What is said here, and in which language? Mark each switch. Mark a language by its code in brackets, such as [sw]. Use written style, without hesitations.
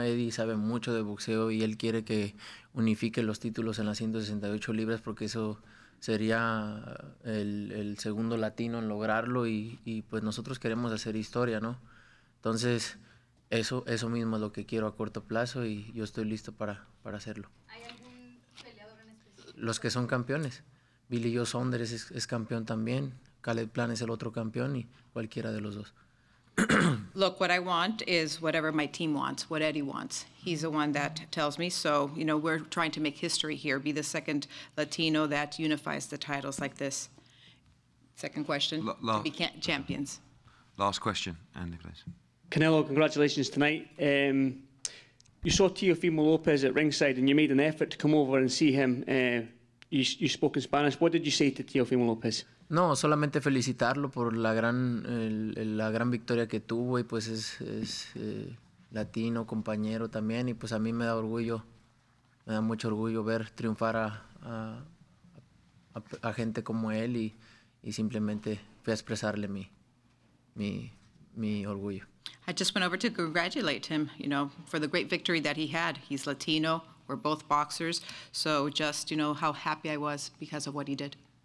[es] Eddie sabe mucho de boxeo y él quiere que unifique los títulos en las 168 libras porque eso sería el segundo latino en lograrlo y pues nosotros queremos hacer historia, ¿no? Entonces, eso mismo es lo que quiero a corto plazo y yo estoy listo para hacerlo. ¿Hay algún peleador en específico? Los que son campeones. Billy Joe Saunders es campeón también. Khaled Plant es el otro campeón y cualquiera de los dos. [en] Look, what I want is whatever my team wants, what Eddie wants. He's the one that tells me. So, you know, we're trying to make history here, be the second Latino that unifies the titles like this. Second question, to be champions. Last question, Andy, please. Canelo, congratulations tonight. You saw Teofimo Lopez at ringside and you made an effort to come over and see him. You spoke in Spanish. What did you say to Teofimo Lopez? [es] No, solamente felicitarlo por la gran victoria que tuvo y pues es latino, compañero también y pues a mí me da orgullo, me da mucho orgullo ver triunfar a gente como él y simplemente fui a expresarle mi orgullo. [en] I just went over to congratulate him, you know, for the great victory that he had. He's Latino, we're both boxers, so just, you know, how happy I was because of what he did.